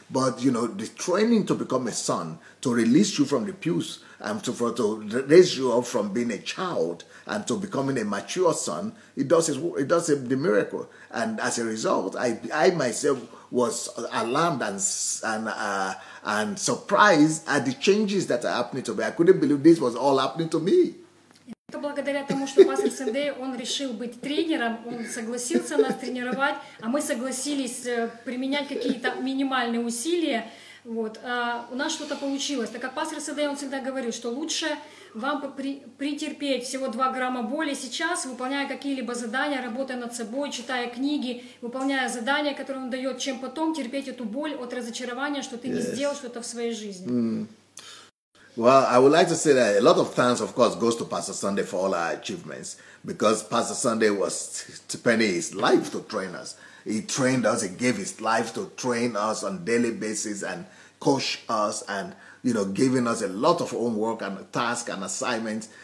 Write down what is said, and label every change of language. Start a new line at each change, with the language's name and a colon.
English: But, the training to become a son, to release you from the pews, and to raise you up from being a child and to becoming a mature son, it does the miracle. And as a result, I myself was alarmed and surprised at the changes that are happening to me. I couldn't believe this was all happening to me.
Russian: Благодаря тому, что пастор Сандей, он решил быть тренером, он согласился нас тренировать, а мы согласились применять какие-то минимальные усилия. Вот. У нас что-то получилось. Так как пастор Сандей, он всегда говорил, что лучше вам претерпеть всего 2 грамма боли сейчас, выполняя какие-либо задания, работая над собой, читая книги, выполняя задания, которые он дает, чем потом терпеть эту боль от разочарования, что ты не сделал что-то в своей жизни.
English: Well, I would like to say that a lot of thanks, of course, goes to Pastor Sunday for all our achievements, because Pastor Sunday was spending his life to train us. He trained us, he gave his life to train us on a daily basis and coach us and, you know, giving us a lot of homework and tasks and assignments.